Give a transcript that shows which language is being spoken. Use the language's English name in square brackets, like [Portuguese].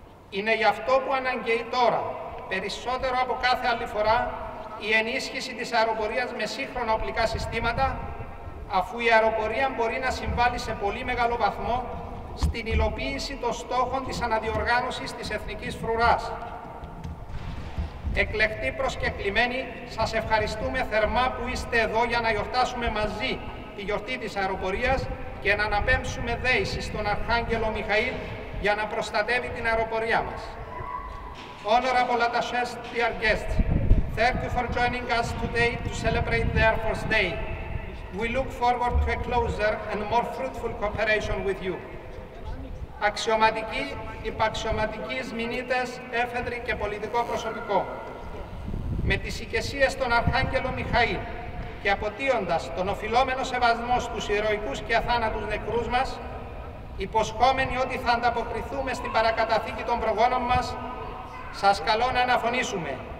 [Greek] Είναι γι' αυτό που αναγκαίει τώρα, περισσότερο από κάθε άλλη φορά, η ενίσχυση της αεροπορίας με σύγχρονα οπλικά συστήματα, αφού η αεροπορία μπορεί να συμβάλλει σε πολύ μεγάλο βαθμό στην υλοποίηση των στόχων της αναδιοργάνωσης της Εθνικής Φρουράς. Εκλεκτοί προσκεκλημένοι, σας ευχαριστούμε θερμά που είστε εδώ για να γιορτάσουμε μαζί τη γιορτή της αεροπορίας και να αναπέμψουμε δέηση στον Αρχάγγελο Μιχαήλ για να προστατεύει την αεροπορία μας. [English] Honorable attachés, dear guests, thank you for joining us today to celebrate the Air Force Day. We look forward to a closer and more fruitful cooperation with you. [Greek] Αξιωματικοί, υπαξιωματικοί, σμηνίτες, έφεδροι και πολιτικό προσωπικό, με τις ηγεσίες των Αρχάγγελων Μιχαήλ και αποτείοντας τον οφειλόμενο σεβασμό στους ηρωικούς και αθάνατους νεκρούς μας, υποσχόμενοι ότι θα ανταποκριθούμε στην παρακαταθήκη των προγόνων μας, σας καλώ να αναφωνήσουμε.